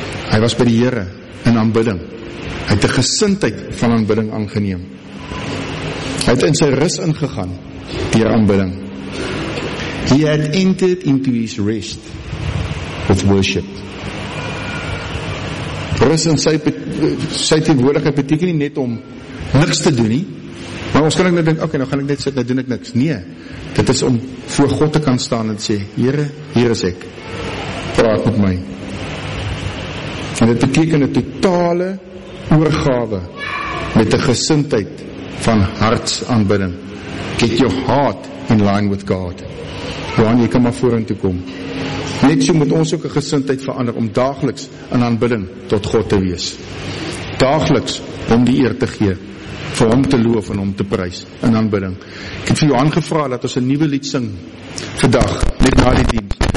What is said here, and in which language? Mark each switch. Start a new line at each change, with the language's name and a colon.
Afrikaans: Hy was by die Here in aanbidding. Hy het 'n gesindheid van aanbidding aangeneem. Hy het in sy rus ingegaan deur aanbidding.
English: He had entered into his rest with worship.
Afrikaans: Rus in sy teenwoordigheid beteken nie net om niks te doen nie. Maar ons kan ook net dink, okay, nou gaan ek net sit, nou doen ek niks. Nee, dit is om voor God te kan staan en sê, Here, hier is ek. Praat met my. En dit beteken 'n totale oorgawe met 'n gesindheid van hartsaanbidding.
English: Get your heart in line with God.
Afrikaans: Johan, jy kan maar vorentoe kom. Net so moet ons ook 'n gesindheid verander om daagliks in aanbidding tot God te wees. Daagliks om die eer te gee, vir hom te loof en hom te prys in aanbidding. Ek het vir Johan gevra dat ons 'n nuwe lied sing vandag net na die diens.